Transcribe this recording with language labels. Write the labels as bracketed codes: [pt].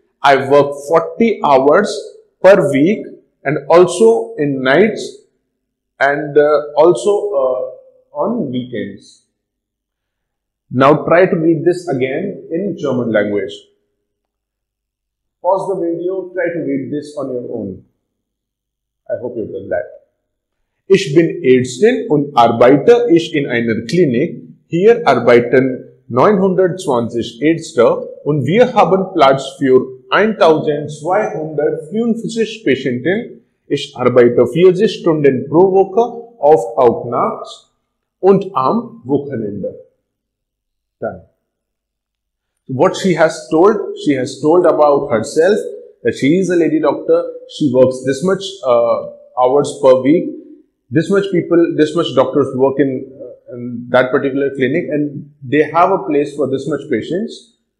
[en] I work 40 hours per week. And also in nights and on weekends. Now try to read this again in German language. Pause the video, try to read this on your own. I hope you've done that. [de] Ich bin Ärztin und arbeite ich in einer Klinik. Hier arbeiten 920 Ärzte und wir haben Platz für 1250 Patienten. Ich arbeite 40 Stunden pro Woche, oft auch nachts und am Wochenende. [en] Done. What she has told? She has told about herself that she is a lady doctor. She works this much hours per week. This much people, this much doctors work in that particular clinic and they have a place for this much patients.